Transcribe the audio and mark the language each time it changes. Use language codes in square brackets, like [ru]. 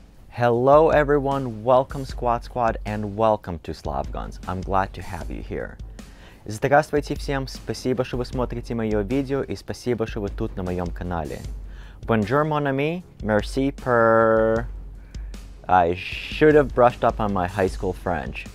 [en] Hello everyone, welcome Squad Squad and welcome to Slav Guns. I'm glad to have you here. [ru] Здравствуйте всем, спасибо, что вы смотрите моё видео и спасибо, что вы тут на моём канале. [fr] Bonjour mon ami, merci pour... [en] I should have brushed up on my high school French.